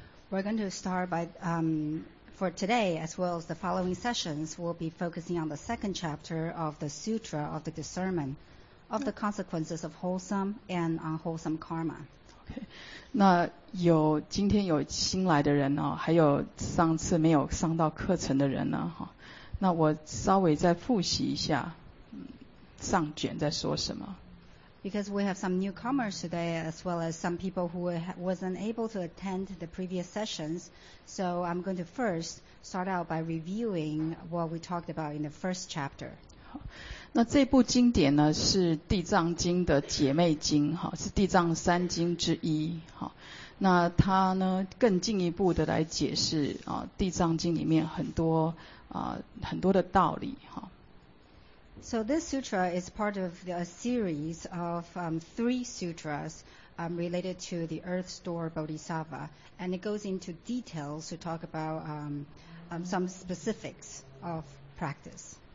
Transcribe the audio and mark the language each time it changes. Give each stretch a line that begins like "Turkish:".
English: We're going to start by for today, as well as the following sessions, we'll be focusing on the second chapter of the Sutra of the Discernment of the consequences of wholesome and unwholesome karma. Okay.
Chinese: 那有今天有新来的人哦，还有上次没有上到课程的人呢，哈。那我稍微再复习一下。上卷在说什么？
English: Because we have some newcomers today, as well as some people who wasn't able to attend the previous sessions, so I'm going to first start out by reviewing what we talked about in the first chapter.
Chinese: 那这部经典呢，是地藏经的姐妹经，是地藏三经之一。那它呢，更进一步的来解释地藏经里面很多的道理。
English: So this sutra is part of a series of three sutras related to the Earth's Door Bodhisattva, and it goes into details to talk about some specifics of practice.